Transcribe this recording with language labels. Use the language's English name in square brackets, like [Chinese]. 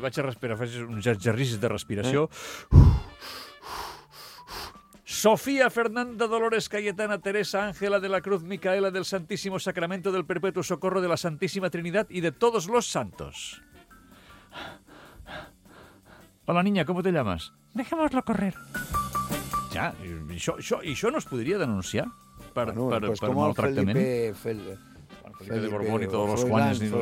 [Catalan] Vaig a respirar, faig uns exercicis de respiració. [Spanish] Sofía Fernanda Dolores Cayetana Teresa Ángela de la Cruz Micaela del Santísimo Sacramento del Perpetuo Socorro de la Santísima Trinidad y de todos los santos. Hola, niña, ¿cómo te llamas? Dejémoslo correr. [Catalan] Ja, això no es podria denunciar per maltractament. [Spanish] Felipe de Borbón y todos los Juanes.